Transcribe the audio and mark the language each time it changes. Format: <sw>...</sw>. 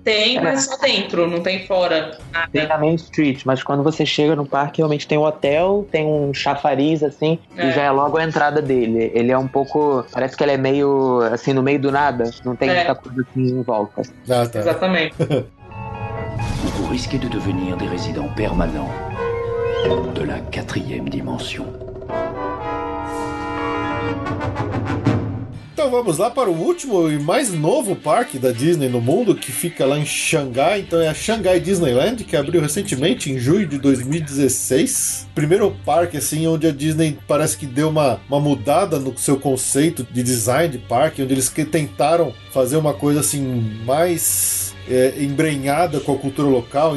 <pt>Tem, mas só dentro, não tem fora. Nada. Tem na Main Street, mas quando você chega no parque, realmente tem um hotel, tem um chafariz, assim, e já é logo a entrada dele. Ele é um pouco... parece que ele é meio, assim, no meio do nada. Não tem muita coisa assim em volta. Ah, tá. Exatamente.</pt> <fr>Vous risquez de devenir des résidents permanents de la quatrième dimension.</fr> <pt>Então vamos lá para o último e mais novo parque da Disney no mundo, que fica lá em Xangai. Então é a Xangai Disneyland, que abriu recentemente em junho de 2016. Primeiro parque assim onde a Disney parece que deu uma mudada no seu conceito de design de parque, onde eles tentaram fazer uma coisa assim mais embrenhada com a cultura local.</pt>